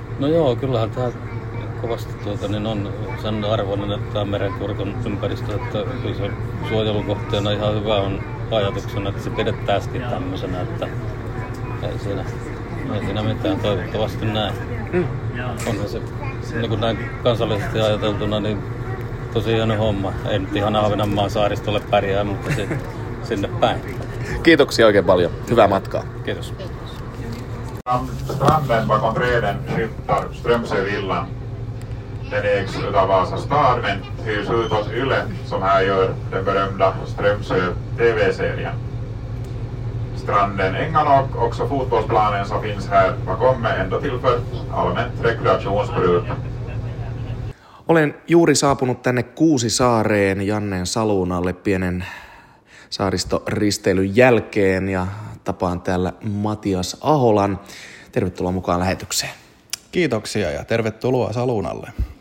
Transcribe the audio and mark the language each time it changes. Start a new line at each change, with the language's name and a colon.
Finnish: No joo, kyllähän tämä kovasti tuota, niin on sen arvoinen, että tämä merenkurkon ympäristö, että kyllä se suojelukohteena ihan hyvä on ajatuksena, että se pidettäisikin tämmöisenä, että ei siinä mitään toivottavasti näin. Mm. Onhan se, niin kuin näin kansallisesti ajateltuna, niin tosi hieno homma. Ei nyt ihan Ahvenanmaan saaristolle pärjää, mutta sinne päin. Kiitoksia oikein paljon. Hyvää matkaa. Kiitos.
Swedish: Stranden bakom träden skymtar Strömsövillan. Den ägs utav Vasa stad men hyrs ut åt Yle som här gör den berömda Strömsö TV-serien. Stranden, ängarna och också fotbollsplanen som finns här bakom mig ändå tillför allmänt rekreationsbruk.
Finnish: Olen juuri saapunut tänne Kuusisaareen Janneen saluun alle pienen saaristoristeilyn jälkeen ja tapaan täällä Matias Aholan. Tervetuloa mukaan lähetykseen. Kiitoksia ja tervetuloa saluunalle.